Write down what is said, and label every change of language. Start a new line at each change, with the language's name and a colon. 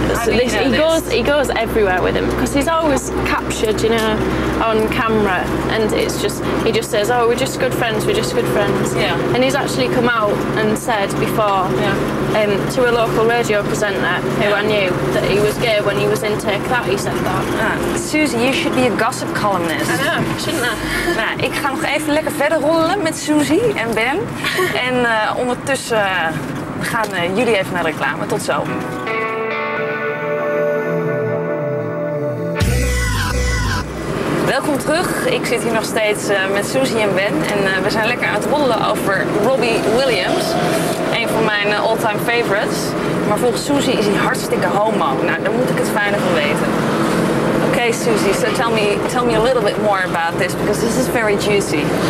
English: So he goes everywhere with him because he's always captured, you know, on camera. And it's just he just says, "Oh, we're just good friends. We're just good friends." Yeah. And he's actually come out and said before, yeah, to a local radio presenter who, yeah, I knew that he was gay when he was in Take That. He said that. Yeah. Susie, you should be a gossip columnist. I know, shouldn't I?
Dutch: Nou, ik ga nog even lekker verder rollen met Susie en Ben, en ondertussen. We gaan jullie even naar reclame. Tot zo. Welkom terug. Ik zit hier nog steeds met Susie en Ben. En we zijn lekker aan het roddelen over Robbie Williams. Een van mijn all-time favorites. Maar volgens Susie is hij hartstikke homo. Nou, daar moet ik het fijne van weten.
English: Okay, Susie, so tell me a little bit more about this, because this is very juicy.